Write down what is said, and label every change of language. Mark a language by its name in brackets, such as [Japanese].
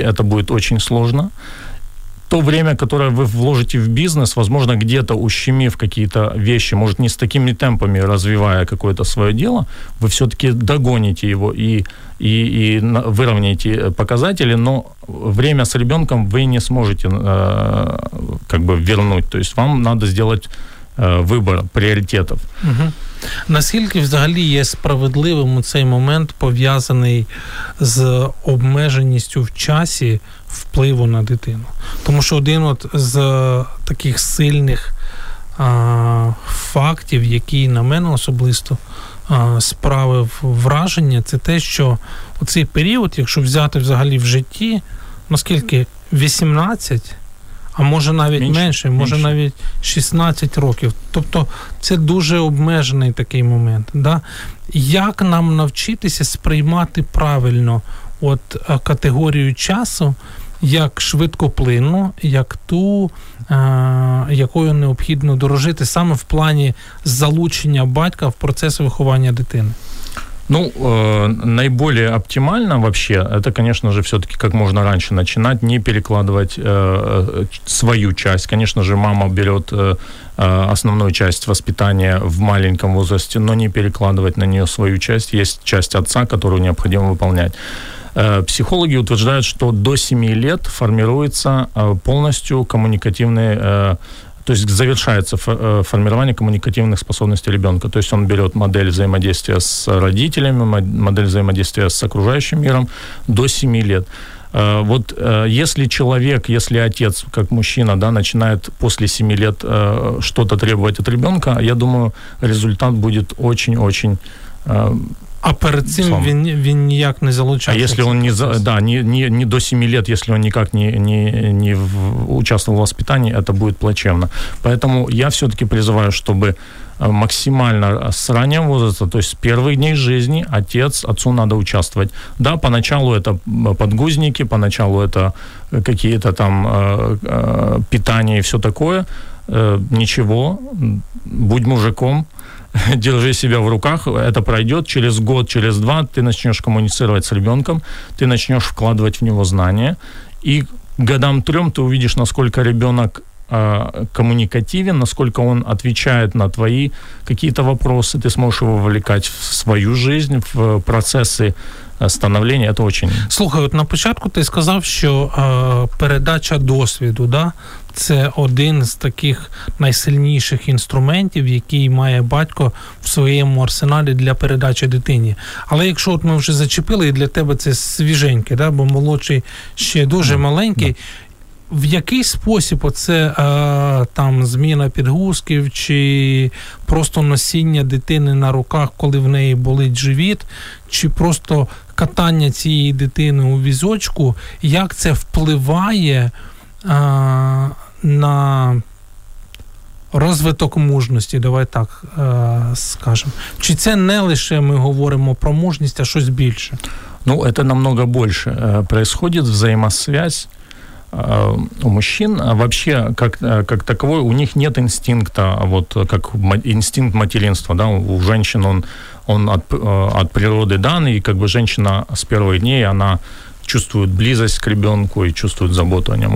[Russian] Это будет очень сложно. То время, которое вы вложите в бизнес, возможно, где-то ущемив какие-то вещи, может, не с такими темпами развивая какое-то свое дело, вы все-таки догоните его и выровняете показатели, но время с ребенком вы не сможете как бы вернуть. То есть вам надо сделать выбор приоритетов. Угу. [Ukrainian] Наскільки взагалі є справедливим у цей момент, пов'язаний з обмеженістю в часі, впливу на дитину? Тому що один от з таких сильних фактів, який на мене особисто справив враження, це те, що у цей період, якщо взяти взагалі в житті, наскільки 18, а може навіть менше, навіть 16 років. Тобто це дуже обмежений такий момент. Да? Як нам навчитися сприймати правильно от категорію часу, як швидкоплинну, як ту, якою необхідно дорожити, саме в плані залучення батька в процес виховання дитини? [Russian] Ну, наиболее оптимально вообще, это, конечно же, все-таки как можно раньше начинать, не перекладывать свою часть. Конечно же, мама берет основную часть воспитания в маленьком возрасте, но не перекладывать на нее свою часть. Есть часть отца, которую необходимо выполнять. Психологи утверждают, что до 7 лет формируется полностью коммуникативный, то есть завершается формирование коммуникативных способностей ребенка. То есть он берет модель взаимодействия с родителями, модель взаимодействия с окружающим миром до 7 лет. Вот если человек, если отец, как мужчина, да, начинает после 7 лет что-то требовать от ребенка, я думаю, результат будет очень-очень... [Ukrainian] А перед цим він ніяк не залучався. А якщо він не за да, не до 7 років, якщо він ніяк не [Russian] участвував у воспитанні, [Ukrainian] це буде [Russian] плачевно. [Ukrainian] Тому [Russian] я все-таки призываю, [Ukrainian] щоб [Russian] максимально с раннего возраста, то есть с первых дней жизни отец, отцу надо участвовать. Да, поначалу это подгузники, поначалу это какие-то там питания и все такое. Ничего, будь мужиком, держи себя в руках, это пройдет, через год, через два ты начнешь коммуницировать с ребенком, ты начнешь вкладывать в него знания, и годам трем ты увидишь, насколько ребенок коммуникативен, насколько он отвечает на твои какие-то вопросы, ты сможешь его вовлекать в свою жизнь, в процессы становления, это очень... [Ukrainian] Слухай, от на початку ти сказав, що передача досвіду, да, це один з таких найсильніших інструментів, який має батько в своєму арсеналі для передачі дитині. Але якщо от ми вже зачепили, і для тебе це свіженьке, да, бо молодший ще дуже маленький, в який спосіб оце там зміна підгузків чи просто носіння дитини на руках, коли в неї болить живіт, чи просто катання цієї дитини у візочку, як це впливає на розвиток мужності, давай так скажемо. Чи це не лише ми говоримо про мужність, а щось більше? Ну, це намного більше. [Russian] Происходит взаимосвязь у мужчин, а вообще как таковой, у них нет инстинкта, вот как инстинкт материнства, да, у женщин он от природы дан, и как бы женщина с первых дней, она чувствует близость к ребенку и чувствует заботу о нем.